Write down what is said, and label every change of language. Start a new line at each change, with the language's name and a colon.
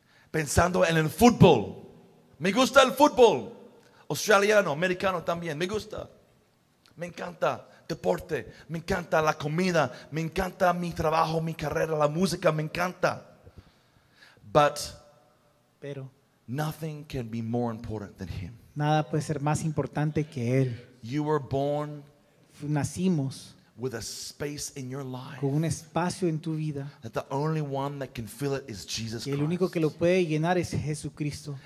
Spanish: Pensando en el fútbol. Me gusta el fútbol. Australiano, americano también. Me gusta. Me encanta deporte. Me encanta la comida. Me encanta mi trabajo, mi carrera, la música. Me encanta. Pero.
English: Nothing can be more important than him.
Spanish: Nada puede ser más importante que él.
English: You were born.
Spanish: Nacimos.
English: With a space in your life.
Spanish: Con un espacio en tu vida.
English: That the only one that can fill it is Jesus Christ.
Spanish: Y el único que lo puede llenar es Jesucristo.